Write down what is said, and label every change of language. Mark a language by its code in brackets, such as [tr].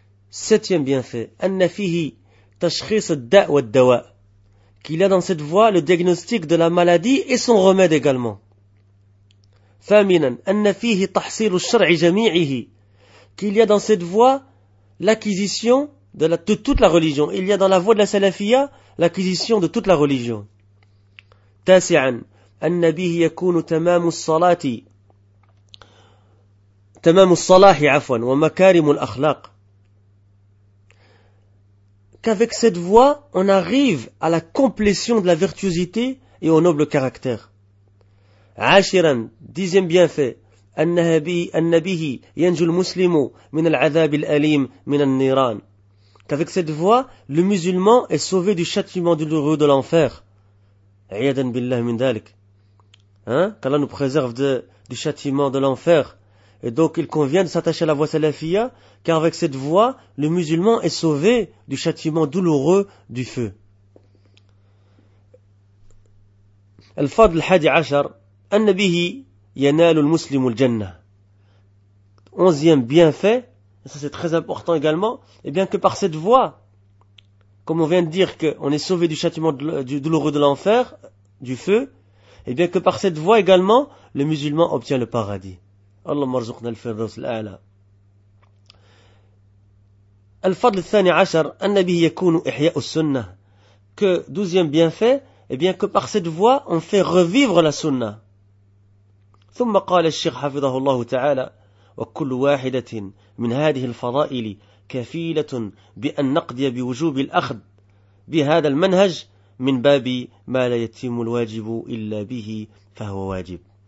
[fr] Septième bienfait, [ar] anna fihi tashkhis ad-da' wa ad-dawa', [fr] qu'il y a dans cette voie le diagnostic de la maladie et son remède également. [ar] Thaminan, anna fihi tahsil ash-shar' jami'ihi, [fr] qu'il y a dans cette voie l'acquisition de toute la religion. Il y a dans la voie de la salafia l'acquisition de toute la religion. [ar] Tasi'an, أن به يكون تمام الصلاة تمام الصلاح عفوا ومكارم الأخلاق. [fr] Qu'avec cette voie on arrive à la complétion de la virtuosité et au noble caractère. [ar] عاشرا, [fr] dixième bienfait, [ar] أن به ينجو المسلم من العذاب الأليم من النيران. [fr] Qu'avec cette voie, le musulman est sauvé du châtiment douloureux de l'enfer. [ar] عياذا بالله من ذلك. [fr] Qu'Allah nous préserve du châtiment de l'enfer. Et donc, il convient de s'attacher à la voie salafia, car avec cette voie, le musulman est sauvé du châtiment douloureux du feu. [ar] Al-Fadl al-Hadi Ashar, An-Nabihi yanalu al-Muslim al-Jannah. [fr] Onzième bienfait, ça c'est très important également, et bien que par cette voie, comme on vient de dire qu'on est sauvé du châtiment douloureux de l'enfer, du feu, et bien que par cette voie également, le musulman obtient le paradis. [ar] اللهم ارزقنا الفردوس الأعلى. الفضل الثاني عشر أن به يكون إحياء السنة. [fr] Que douzième bienfait, et bien que par cette voie on fait revivre la سنة. [ar] ثم قال الشيخ حفظه الله تعالى وكل واحدة من هذه الفضائل كفيلة بأن نقضي بوجوب الأخذ بهذا المنهج من باب ما لا يتم الواجب إلا به فهو واجب.